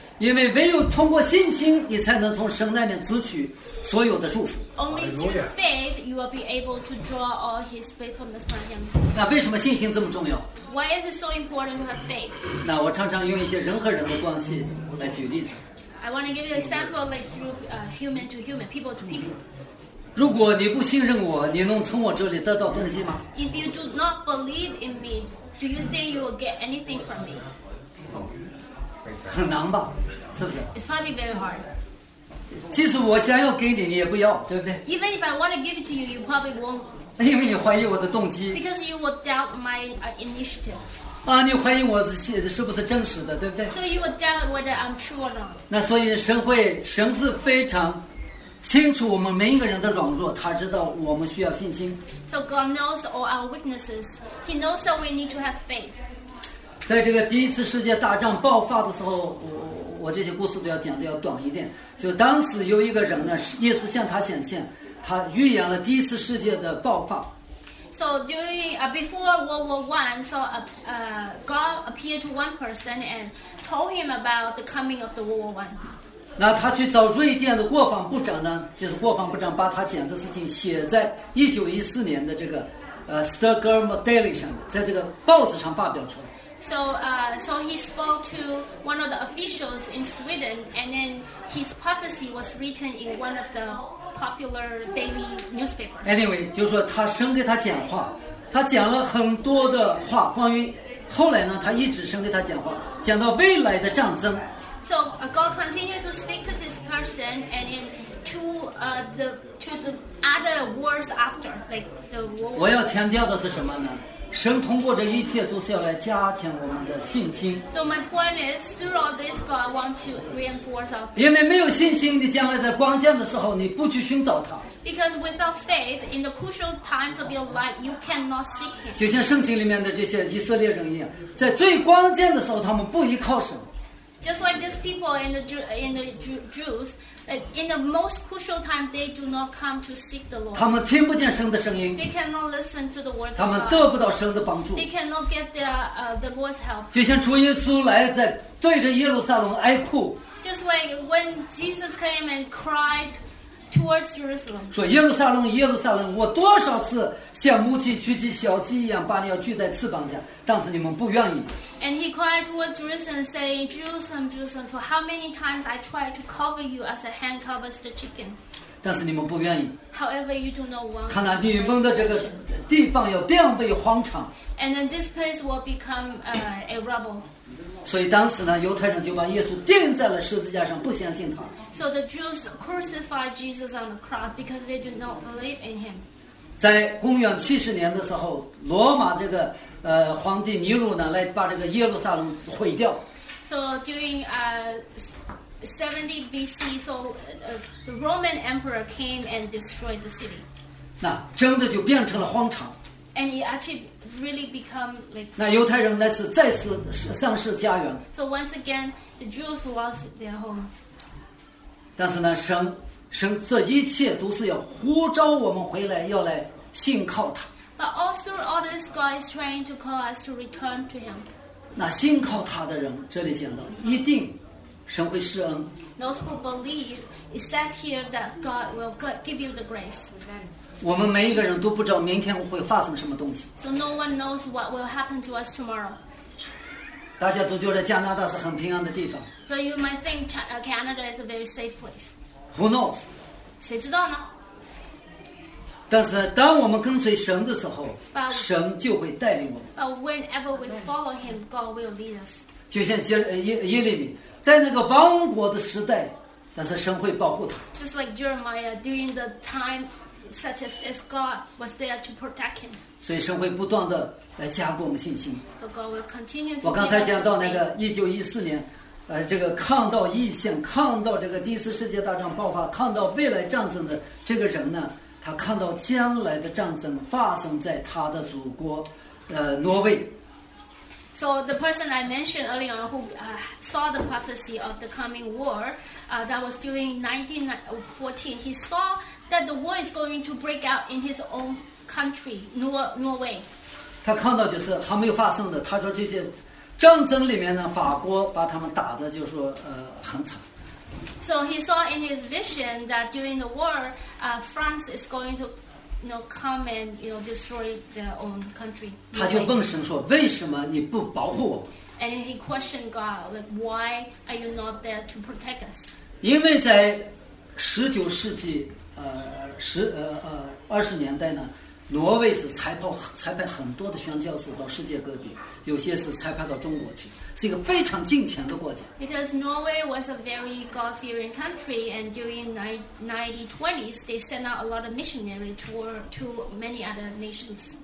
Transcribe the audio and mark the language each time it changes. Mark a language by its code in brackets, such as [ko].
[zh] 因为唯有通过信心，你才能从神那边支取所有的祝福。 [en] Only through faith, you will be able to draw all His faithfulness from Him. [zh] 那为什么信心这么重要？ [en] Why is it so important to have faith? [zh] 那我常常用一些人和人的关系来举例子。 [en] I want to give you an example like through human to human, people to people. [zh] 如果你不信任我，你能从我这里得到东西吗？ [en] If you do not believe in me, do you think you will get anything from me? [zh] 很难吧，是不是？ [en] It's probably very hard. [zh] 即使我想要给你，你也不要，对不对？ [en] Even if I want to give it to you, you probably won't. [zh] 因为你怀疑我的动机。 [en] Because you will doubt my initiative. [zh] 啊，你怀疑我是不是真实的，对不对？ [en] So you will doubt whether I'm true or not. [zh] 那所以神是非常清楚我们每一个人的软弱，他知道我们需要信心。 [en] So God knows all our weaknesses. He knows that we need to have faith. [zh] 在这个第一次世界大战爆发的时候，我这些故事都要讲的要短一点。就当时有一个人呢，耶稣向他显现。他预言了第一次世界的爆发。 [en] So before World War One, so God appeared to one person and told him about the coming of the World War One. [zh] 那他去找瑞典的国防部长呢？就是国防部长把他讲的事情写在1914年的这个Stockholm Daily 上面，在这个报纸上发表出来。 [en] So so he spoke to one of the officials in Sweden, and then his prophecy was written in one of the popular daily newspaper. [zh] Anyway, 就是说他神给他讲话，他讲了很多的话，关于后来呢，他一直神给他讲话，讲到未来的战争。 [en] So God continued to speak to this person, and in to the other wars after, like the war. [zh] 我要强调的是什么呢？神通过这一切都是要来加强我们的信心。 [en] So my point is, through all this, God wants to reinforce our faith. [zh] 因为没有信心，你将来在关键的时候你不去寻找他。 [en] Because without faith, in the crucial times of your life, you cannot seek him. [zh] 就像圣经里面的这些以色列人一样，在最关键的时候他们不依靠神。 [en] Just like these people in the Jews, like in the most crucial time, they do not come to seek the Lord. [zh] 他们听不见神的声音。 [en] They cannot listen to the word of God. [zh] 他们得不到神的帮助。 [en] They cannot get the Lord's help. [zh] 就像主耶稣来在对着耶路撒冷哀哭。 [en] Just like when Jesus came and cried towards Jerusalem. [zh] 说耶路撒冷，耶路撒冷，我多少次像母鸡举起小鸡一样把你要举在翅膀下，但是你们不愿意。 [en] And he cried towards Jerusalem, saying, Jerusalem, Jerusalem, for how many times I tried to cover you as a hen covers the chicken. [zh] 但是你们不愿意。 [en] However, you do not want. [zh] 看来你们的这个地方要变为荒场。 [en] And then this place will become a rubble. [zh] 所以当时呢，犹太人就把耶稣钉在了十字架上，不相信他。 [en] So the Jews crucified Jesus on the cross because they do not believe in him. [zh] 在公元七十年的时候，罗马这个皇帝尼禄呢，来把这个耶路撒冷毁掉。 [en] So during 70 BC, so the Roman emperor came and destroyed the city. [zh] 那真的就变成了荒场。 [en] And it actually really become like. [zh] 那犹太人那次再次丧失家园。 [en] So once again, the Jews lost their home. [zh] 但是呢，神这一切都是要呼召我们回来，要来信靠他。 [en] But after all this, God is trying to call us to return to Him. [zh] 那信靠他的人，这里讲到一定。神会施恩。 [en] Those who believe, it says here that God will give you the grace. [zh] 我们每一个人都不知道明天会发生什么东西。 [en] So no one knows what will happen to us tomorrow. [zh] 大家都觉得加拿大是很平安的地方。 [en] So you might think Canada is a very safe place. Who knows? [zh] 谁知道呢？但是当我们跟随神的时候，神就会带领我们。 [en] But whenever we follow Him, God will lead us. [zh] 就像耶利米。在那个亡国的时代，但是神会保护他。 [en] Just like Jeremiah during the time such as God was there to protect him. [zh] 所以神会不断的来加固我们信心。 [en] So God will continue to. [zh] 我刚才讲到那个1914年，这个抗到一线，抗到这个第一次世界大战爆发，抗到未来战争的这个人呢，他看到将来的战争发生在他的祖国，挪威。 [en] So the person I mentioned earlier on who saw the prophecy of the coming war that was during 1914, he saw that the war is going to break out in his own country, Norway. [zh] 他看到就是还没有发生的，他说这些战争里面呢，法国把他们打的就是说很惨。 [en] So he saw in his vision that during the war, France is going to, you know, come and, you know, destroy their own country. [zh] 他就问神说，为什么你不保护我？ [en] And he questioned God, like, why are you not there to protect us? [zh] 因为在十九世纪二十年代呢，挪威是裁派很多的宣教士到世界各地，有些是裁派到中国去，是一个非常敬虔的国家。 [en] Because Norway was a very God-fearing country, and during 1920s, they sent out a lot of missionaries to many other nations.